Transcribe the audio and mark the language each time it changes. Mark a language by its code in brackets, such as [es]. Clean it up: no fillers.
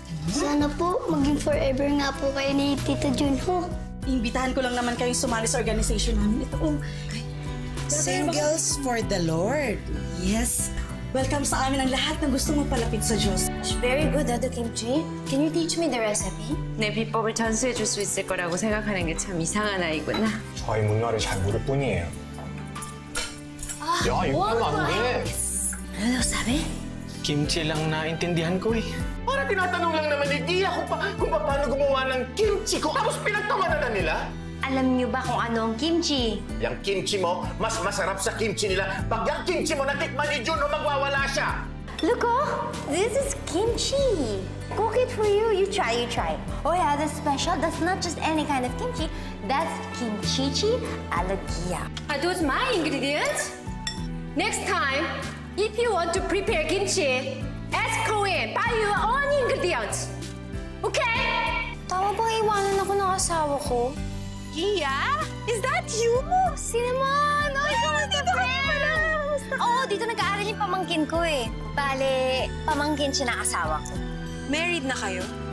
[tl] Sana po, maging forever nga po kayo ni Tito Jun Ho. Imbitahan ko lang naman kayo sumali sa organization namin. Ito po. [en] Singles for the Lord. Yes. [tl] Welcome sa amin ang lahat ng gusto mong palapit sa Diyos. [en] It's very good, Dada Kimchi. Can you teach me the recipe? [ko] 내 비법을 전수해 줄 수 있을 거라고 생각하는 게 참 이상한 아이구나. 저희 문화를 잘 모를 뿐이에요. 아, 야, 이거 하면 안 돼. 뭐라고 [tl] sabi? 김치 lang naintindihan ko eh. Para tinatanong lang naman ni Gia kung paano gumawa ng kimchi ko. Tapos pinagtawanan na nila. Alam niyo ba kung ano ang kimchi? Yung kimchi mo, mas masarap sa kimchi nila. Pag yung kimchi mo natikman ni Jun, magwawala siya. [en] Look, oh, this is kimchi. Cook it for you. You try, you try. Oh yeah, that's special. That's not just any kind of kimchi. That's kimchi-chi a la Gia. Are those my ingredients? Next time, if you want to prepare kimchi, ask Korean. Buy your own ingredients. Okay? [tl] Tama bang iwanan ako ng asawa ko? [en] Gia? Is that you? [tl] Sino man? Oh, ikaw na dito ka pala! Oo, dito nag-aaral yung pamangkin ko eh. Bale, pamangkin siya ng asawa ko. Married na kayo?